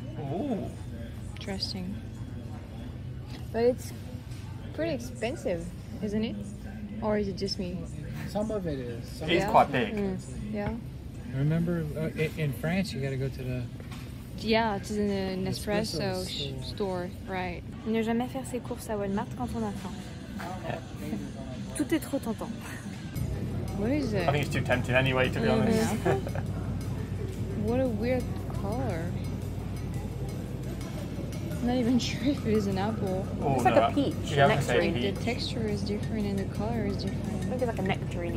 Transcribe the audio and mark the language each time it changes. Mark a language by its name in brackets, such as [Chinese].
[English] Ooh. Interesting. But it's pretty expensive, isn't it? Or is it just me? Some of it is. It's quite big. Mm. Yeah. Remember, in France, you gotta go to the. Yeah, it's in an espresso store, right. [French] Ne jamais faire ses courses à Walmart quand on a faim. Tout est trop tentant. [English] What is it? I think it's too tempting anyway, to be honest. What a weird color. Not even sure if it is an apple. Oh, it's like a peach. Yeah, nectarine. The texture is different and the color is different. Maybe like a nectarine.